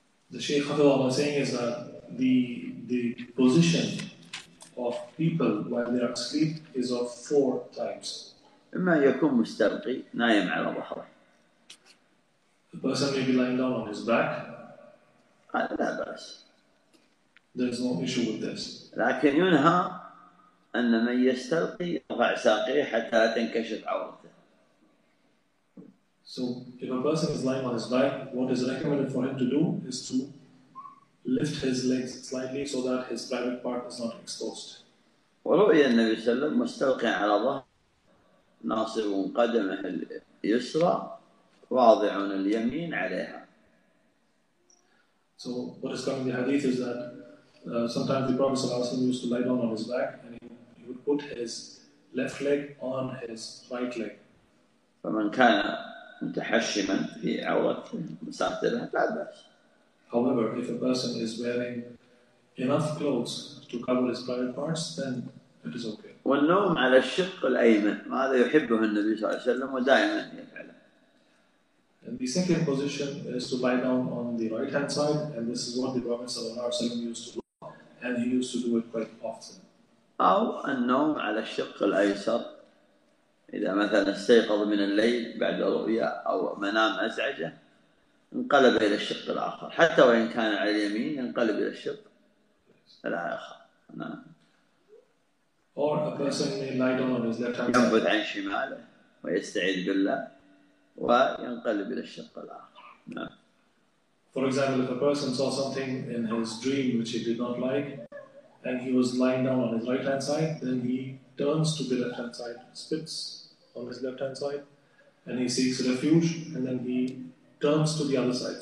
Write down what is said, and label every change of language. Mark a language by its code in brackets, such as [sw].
[en] The Shaykh Hafidhullah was saying is that the position of people while they are asleep is of four types. [ar] إما يكون مسترقي نايم على ظهره. [en] The person may be lying down on his back. [ar] هذا لا بأس. [en] There's no issue with this. [ar] لكن ينهى أن من يستلقي يرفع ساقيه حتى تنكشف عورته. [en] So if a person is lying on his back, what is recommended for him to do is to lift his legs slightly so that his private part is not exposed. [ar] ورؤية النبي صلى الله عليه وسلم مستلقي على ظهره ناصب قدمه اليسرى واضع اليمين عليها. [en] So what is coming in the hadith is that sometimes the Prophet ﷺ used to lie down on his back and he would put his left leg on his right leg. [ar] فمن كان متحشما في عورته مساترة لا بأس. [en] However, if a person is wearing enough clothes to cover his private parts, then it is okay. [ar] والنوم على الشق الأيمن، هذا يحبه النبي صلى الله عليه وسلم ودائما يفعله. [en] And the second position is to lie down on the right hand side, and this is what the Prophet ﷺ used to do. And he used to do it quite often. [ar] أو النوم على الشق الأيسر إذا مثلا استيقظ من الليل بعد رؤيا أو منام أزعجة انقلب إلى الشق الآخر حتى وإن كان على اليمين انقلب إلى الشق الآخر. نعم. [en] Or a person may lie down on his left hand. [ar] ينبذ عن شماله ويستعيذ بالله وينقلب إلى الشق الآخر. نعم. [en] For example, if a person saw something in his dream which he did not like, and he was lying down on his right-hand side, then he turns to the left-hand side, spits on his left-hand side, and he seeks refuge, and then he turns to the other side.